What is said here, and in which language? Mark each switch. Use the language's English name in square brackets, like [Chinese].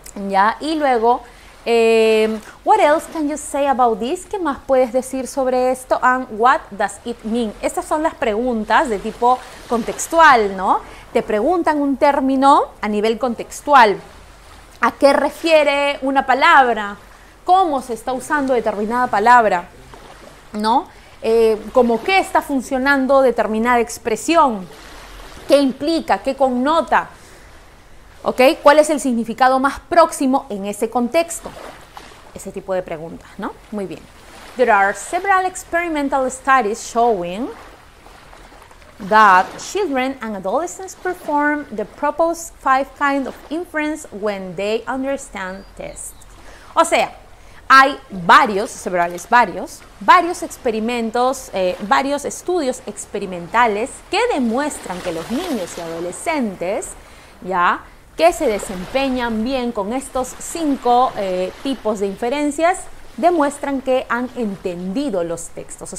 [Spanish] Ya, y luego, [English] what else can you say about this? [Spanish] ¿Qué más puedes decir sobre esto? [English] And what does it mean? [Spanish] Estas son las preguntas de tipo contextual, ¿no? Te preguntan un término a nivel contextual. ¿A qué refiere una palabra? ¿Cómo se está usando determinada palabra? ¿No? ¿Cómo qué está funcionando determinada expresión? ¿Qué implica? ¿Qué connota? ¿Ok? ¿Cuál es el significado más próximo en ese contexto? Ese tipo de preguntas, ¿no? Muy bien. [English] There are several experimental studies showing that children and adolescents perform the proposed five kinds of inference when they understand tests. [Spanish] O sea, hay varios estudios experimentales que demuestran que los niños y adolescentes, ¿ya?, que se desempeñan bien con estos cinco tipos de inferencias, demuestran que han entendido los textos.